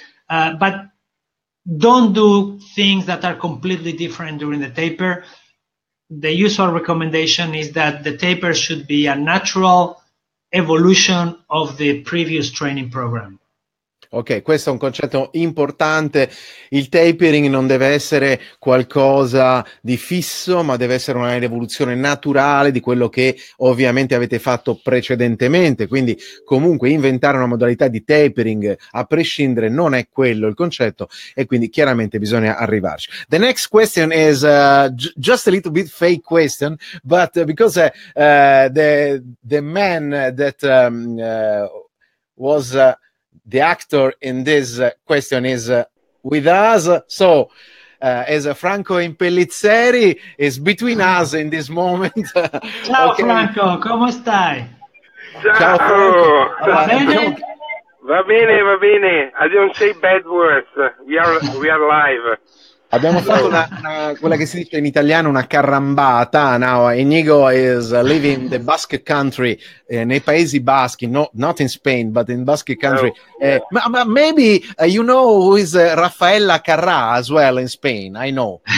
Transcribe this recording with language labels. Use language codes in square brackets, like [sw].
[en] But don't do things that are completely different during the taper. The usual recommendation is that the taper should be a natural evolution of the previous training program. [it] Ok, questo è un concetto importante. Il tapering non deve essere qualcosa di fisso, ma deve essere una evoluzione naturale di quello che ovviamente avete fatto precedentemente. Quindi comunque inventare una modalità di tapering a prescindere non è quello il concetto, e quindi chiaramente bisogna arrivarci. [en] The next question is just a little bit fake question, but because the man that was the actor in this question is with us, so as Franco Impellizzeri is between us in this moment. [it] Ciao. Okay. Franco, come stai? Ciao. Ciao. Va bene. [en] I don't say bad words. We are live. [it] Abbiamo fatto una quella che si dice in italiano una carambata. [en] Now Inigo is living the Basque country, [it] nei Paesi Baschi, [en] not in Spain, but in Basque country. Maybe you know who is Raffaella Carrà as well in Spain. I know.